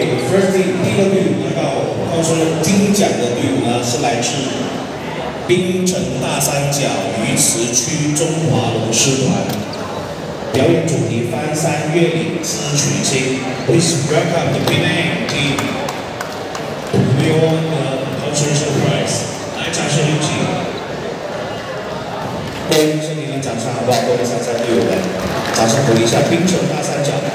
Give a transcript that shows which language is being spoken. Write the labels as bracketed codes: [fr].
[zh] Firstly, 第一个队伍来到，他说金奖的队伍呢是来自槟城大三角鱼池区中华龙狮团，表演主题翻山越岭之取经。 [en] Please welcome the winning team to win the consolation prize. [zh] 来，掌声有请。各位兄弟们，掌声好不好？各位参赛队友们，掌声鼓励一下槟城大三角。